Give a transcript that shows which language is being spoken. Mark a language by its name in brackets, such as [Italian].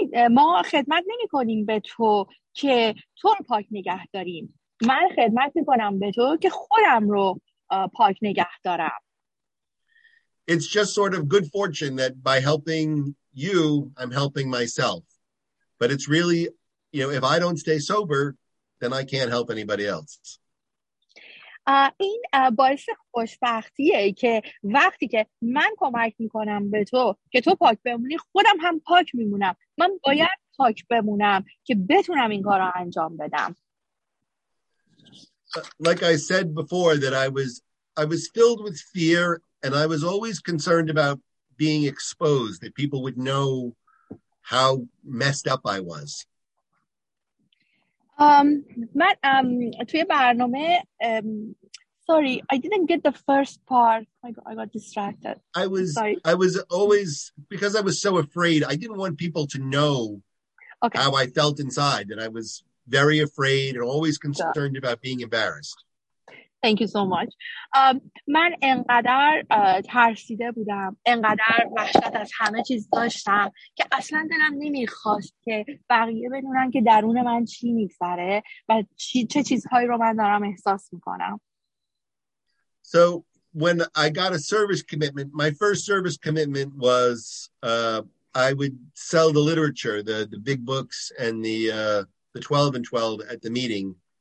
[Persian] ما خدمت نمی کنیم به تو که تو رو پاک نگه داریم. من خدمت می کنم به تو که خودم رو پاک نگه دارم. [English] It's just sort of good fortune that by helping you, I'm helping myself. But it's really, you know, if I don't stay sober, then I can't help anybody else. [Persian] این باعث خوشبختیه که وقتی که من کمک میکنم به تو که تو پاک بمونی، خودم هم پاک میمونم. من باید پاک بمونم که بتونم این کارو انجام بدم. [English] Like I said before, that I was filled with fear. And I was always concerned about being exposed, that people would know how messed up I was. [Persian] توی برنامه, [English] sorry, I didn't get the first part. I got distracted. I was always, because I was so afraid, I didn't want people to know how I felt inside, that I was very afraid and always concerned about being embarrassed. Thank you so much. [Persian] من انقدر ترسیده بودم، انقدر وحشت از همه چیز داشتم که اصلا دلم نمیخواست که بقیه بدونن که درون من چی میگذره و چه چیزهایی رو من دارم احساس میکنم. [English] So when I got a service commitment, my first service commitment was I would sell the literature, the big books and the 12 and 12 at the meeting.